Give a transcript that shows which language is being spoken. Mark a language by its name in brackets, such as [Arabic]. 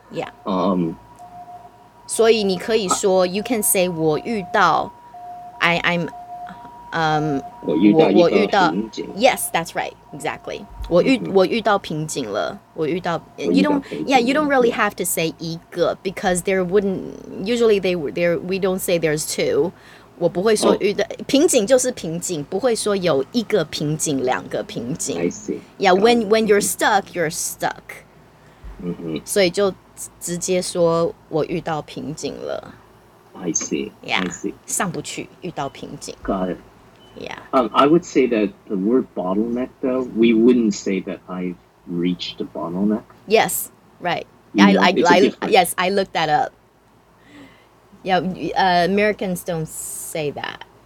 [English] Yeah. [Chinese] 所以你可以说 [English] you can say [Chinese] 我遇到 [English] I'm [Chinese] 我遇到瓶颈 [English] Yes, that's right. Exactly. [Chinese] 我遇到瓶颈了 [English] You don't really have to say 一个 because there wouldn't usually we don't say there's two. [Chinese] 我不会说遇到、oh. 瓶颈就是瓶颈，不会说有一个瓶颈，两个瓶颈。 [English] I see. Yeah, when you're stuck, you're stuck. 嗯哼。 [Chinese] 所以就直接说我遇到瓶颈了。 [English] I see. Yeah. I see. [Chinese] 上不去，遇到瓶颈。 [English] Got it. Yeah. I would say that the word bottleneck, though, we wouldn't say that I've reached the bottleneck. Yes. Right. You know, I looked that up. Yeah, Americans don't say that.